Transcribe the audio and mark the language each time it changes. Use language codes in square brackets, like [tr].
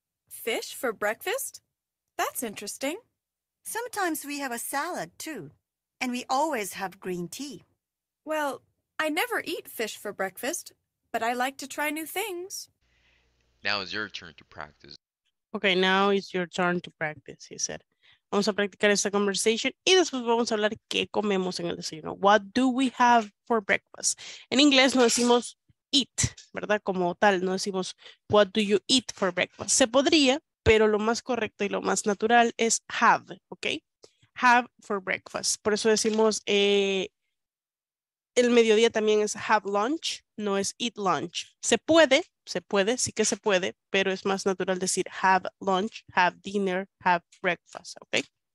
[en] Fish for breakfast? That's interesting. Sometimes we have a salad, too. And we always have green tea. Well, I never eat fish for breakfast, but I like to try new things. Now is your turn to practice. Okay, now it's your turn to practice, he said. [es] Vamos a practicar esta conversation y después vamos a hablar qué comemos en el desayuno. [en] What do we have for breakfast? [es] En inglés no decimos eat, ¿verdad? Como tal, no decimos [en] what do you eat for breakfast. [es] Se podría, pero lo más correcto y lo más natural es have, ¿ok? [en] Have for breakfast. [es] Por eso decimos el mediodía también es have lunch, no es eat lunch. Se puede, sí que se puede, pero es más natural decir [en] have lunch, have dinner, have breakfast, [es] ¿ok?